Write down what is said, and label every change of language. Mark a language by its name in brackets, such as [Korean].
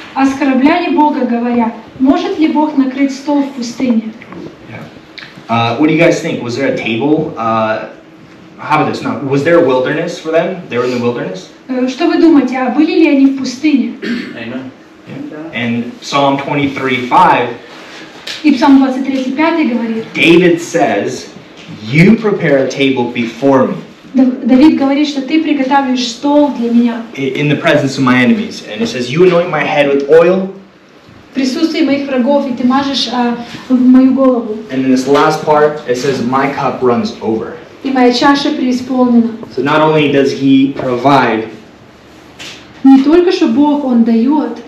[Russian] Оскорбляли Бога, говоря, может ли Бог накрыть стол в пустыне? [English] What do you guys think? Was there a table? How about this? Now, was there a wilderness for them? They were in the wilderness? [Russian] Что вы думаете, а были ли они в пустыне? [English] Amen. And Psalm 23:5. [Russian] И Псалом 23:5 говорит. [English] David says, "You prepare a table before me." [Russian] Давид говорит, что ты приготовишь стол для меня. [English] In the presence of my enemies, and it says, "You anoint my head with oil." [Russian] В присутствии моих врагов и ты мажешь мою голову. [English] And in this last part, it says, "My cup runs over." [Russian] И моя чаша преисполнена. [English] So not only does he provide, [Russian] не только что Бог, он дает.